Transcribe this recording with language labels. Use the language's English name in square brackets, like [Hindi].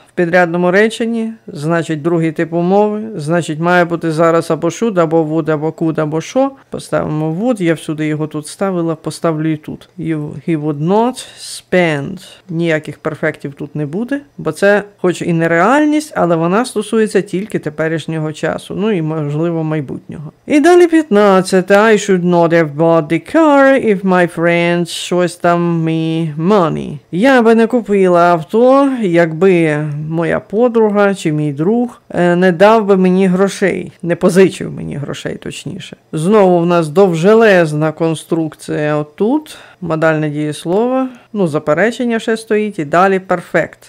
[Ukrainian] В підрядному реченні, значить, другий тип умови, значить, має бути зараз або should, або would, або could, або що. Поставимо would, я всюди його тут ставила, поставлю і тут. [English] He would not spend. [Ukrainian] Ніяких перфектів тут не буде, бо це хоч і нереальність, але вона стосується тільки теперішнього часу, ну і, можливо, майбутнього. І далі 15. [English] I should not have bought the car if my friend shows them me money. [Ukrainian] Я би не купила авто, якби моя подруга чи мій друг не дав би мені грошей, не позичив мені грошей, точніше. Знову в нас довжелезна конструкція отут, модальне дієслово, ну, заперечення ще стоїть, і далі перфект.